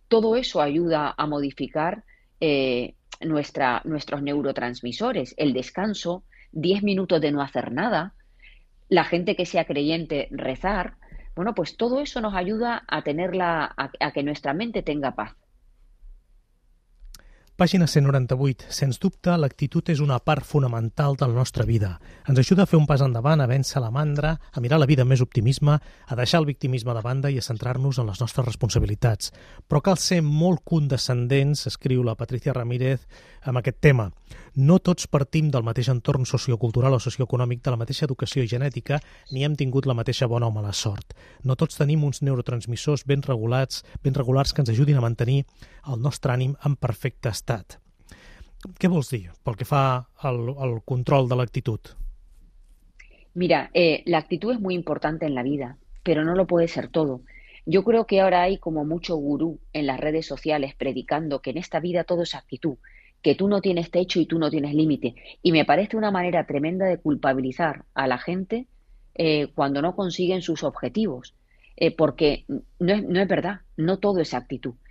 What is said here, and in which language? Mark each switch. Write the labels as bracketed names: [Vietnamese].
[Spanish] Todo eso ayuda a modificar nuestros neurotransmisores, el descanso, 10 minutos de no hacer nada, la gente que sea creyente rezar. Bueno, pues todo eso nos ayuda a a que nuestra mente tenga paz. [Catalan] Pàgina 198. Sens dubte, l'actitud és una part fonamental de la nostra vida. Ens ajuda a fer un pas endavant, a vèncer la mandra, a mirar la vida amb més optimisme, a deixar el victimisme de banda i a centrar-nos en les nostres responsabilitats. Però cal ser molt condescendents, escriu la Patricia Ramírez, amb aquest tema. No tots partim del mateix entorn sociocultural o socioeconòmic, de la mateixa educació i genètica, ni hem tingut la mateixa bona o mala sort. No tots tenim uns neurotransmissors ben regulats que ens ajudin a mantenir el nostre ànim en perfecte estat. Què vols dir pel que fa al control de l'actitud? [Spanish] Mira, la actitud es muy importante en la vida, pero no lo puede ser todo. Yo creo que ahora hay como mucho gurú en las redes sociales predicando que en esta vida todo es actitud, que tú no tienes techo y tú no tienes límite. Y me parece una manera tremenda de culpabilizar a la gente cuando no consiguen sus objetivos, porque no es verdad, no todo es actitud.